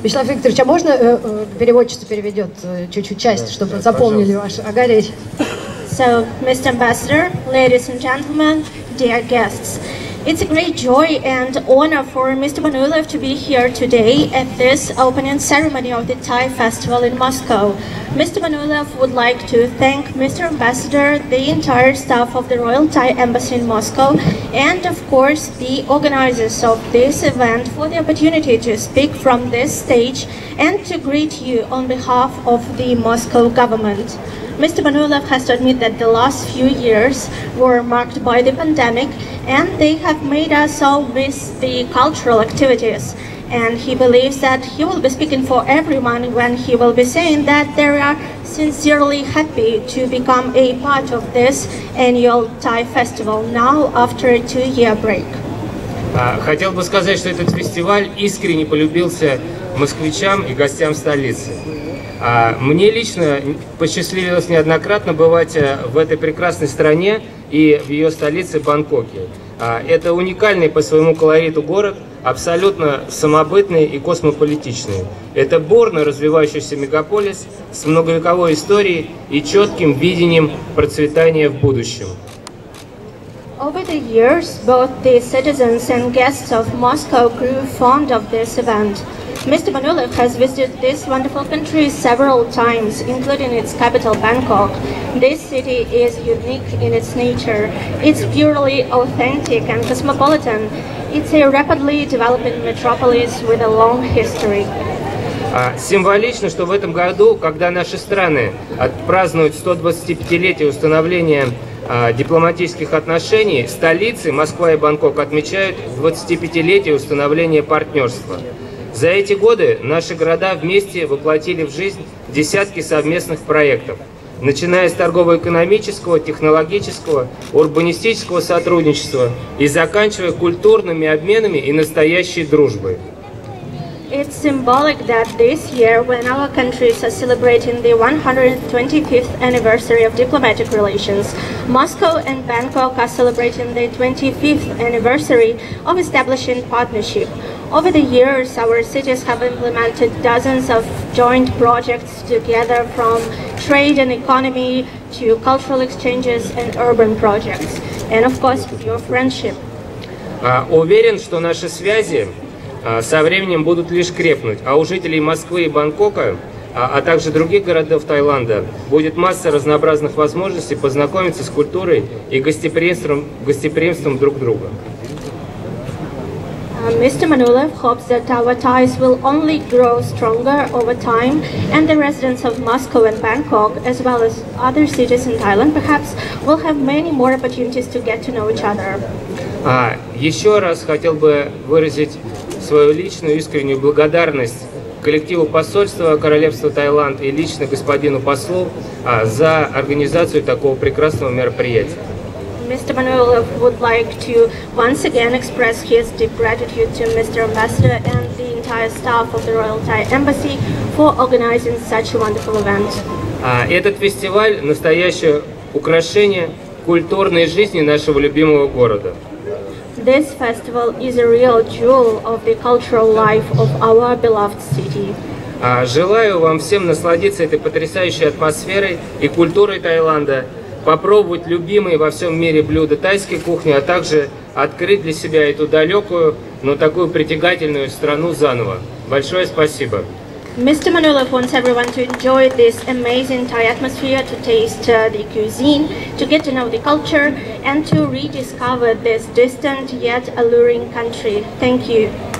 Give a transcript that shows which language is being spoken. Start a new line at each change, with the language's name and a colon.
Russian: Вячеслав Викторович, а можно переводчица переведет чуть-чуть часть, чтобы запомнили ваше огореть?
English: So, Mr. Ambassador, ladies and gentlemen, dear guests, it's a great joy and honor for Mr. Manuilov to be here today at this opening ceremony of the Thai Festival in Moscow. Mr. Manuilov would like to thank Mr. Ambassador, the entire staff of the Royal Thai Embassy in Moscow, and of course the organizers of this event for the opportunity to speak from this stage and to greet you on behalf of the Moscow government. Mr. Manuilov has to admit that the last few years were marked by the pandemic, and they have made us all miss the cultural activities. And he believes that he will be speaking for everyone when he will be saying that they are sincerely happy to become a part of this annual Thai festival now after a two-year break.
Russian: Хотел бы сказать, что этот фестиваль искренне полюбился москвичам и гостям столицы. Мне лично посчастливилось неоднократно бывать в этой прекрасной стране и в ее столице Бангкоке. Это уникальный по своему колориту город, абсолютно самобытный и космополитичный. Это бурно развивающийся мегаполис с многовековой историей и четким видением процветания в будущем.
English: Over the years, both the citizens and guests of Moscow grew fond of this event. Mr. Manuilov has visited this wonderful country several times, including its capital, Bangkok. This city is unique in its nature. It's purely authentic and cosmopolitan. It's a rapidly developing metropolis with a long history.
Russian: Символично, что в этом году, когда наши страны отпразднуют 125-летие установления дипломатических отношений, столицы Москва и Бангкок отмечают 25-летие установления партнерства. За эти годы наши города вместе воплотили в жизнь десятки совместных проектов. начиная с торгово-экономического, технологического, урбанистического сотрудничества и заканчивая культурными обменами и настоящей дружбой.
English: It's symbolic that this year, when our countries are celebrating the 125th anniversary of diplomatic relations, Moscow and Bangkok are celebrating the 25th anniversary of establishing partnership. Over the years, our cities have implemented dozens of joint projects together, from trade and economy to cultural exchanges and urban projects, and of course, your friendship.
Russian: Уверен, что наши связи со временем будут лишь крепнуть, а у жителей Москвы и Бангкока, а также других городов Таиланда, будет масса разнообразных возможностей познакомиться с культурой и гостеприимством друг друга.
English: Mr. Manulev hopes that our ties will only grow stronger over time, and the residents of Moscow and Bangkok, as well as other cities in Thailand, perhaps will have many more opportunities to get to know each other.
Russian: Еще раз хотел бы выразить свою личную искреннюю благодарность коллективу посольства Королевства Таиланд и лично господину послу за организацию такого прекрасного мероприятия.
English: Mr. Manuelov would like to once again express his deep gratitude to Mr. Ambassador and the entire staff of the Royal Thai Embassy for organizing such a wonderful event.
Russian: Этот фестиваль – настоящее украшение культурной жизни нашего любимого города.
English: This festival is a real jewel of the cultural life of our beloved city.
Russian: Желаю вам всем насладиться этой потрясающей атмосферой и культурой Таиланда, попробовать любимые во всем мире блюда тайской кухни, а также открыть для себя эту далекую, но такую притягательную страну заново. Большое спасибо.
English: Mr. Manulev wants everyone to enjoy this amazing Thai atmosphere, to taste the cuisine, to get to know the culture, and to rediscover this distant yet alluring country. Thank you.